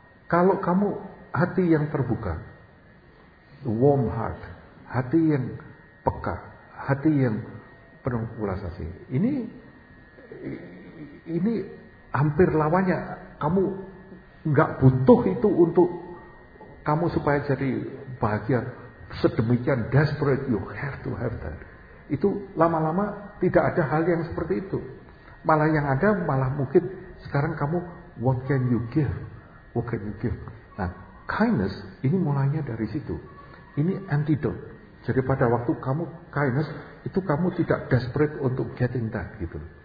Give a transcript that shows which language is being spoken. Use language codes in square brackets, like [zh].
[id] Kalau kamu hati yang terbuka, [en] warm heart, [id] hati yang peka, hati yang penulasasi. Ini hampir lawannya. Kamu enggak butuh itu untuk kamu supaya jadi bahagia. Sedemikian [en] desperate you have to have that. [id] Itu lama-lama tidak ada hal yang seperti itu. Malah yang ada malah mungkin sekarang kamu [en] what can you give? [id] What can you give? Nah, kindness ini mulainya dari situ. Ini antidote. Jadi pada waktu kamu kindness, itu kamu tidak desperate untuk [en] getting that [id] gitu.